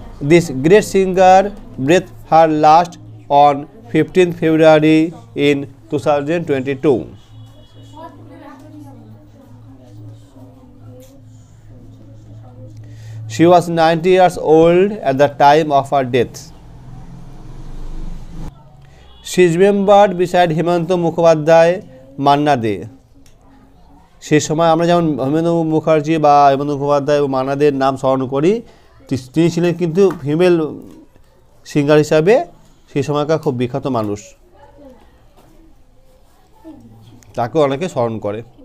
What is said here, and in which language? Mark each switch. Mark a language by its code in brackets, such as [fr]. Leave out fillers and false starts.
[en] This great singer breath her last on 15 February in 2022 She was 90 years old at the time of her death. She is remembered beside Himanta Mukhopadhyay Manna De. [bn] সেই সময় আমরা যেমন হেমন্ত মুখার্জি বা হেমন্ত মুখোপাধ্যায় বা মান্না দের নাম স্মরণ করি তিনি ছিলেন কিন্তু ফিমেল সিঙ্গার হিসাবে সেই সময়কার খুব বিখ্যাত মানুষ তাকেও অনেকে স্মরণ করে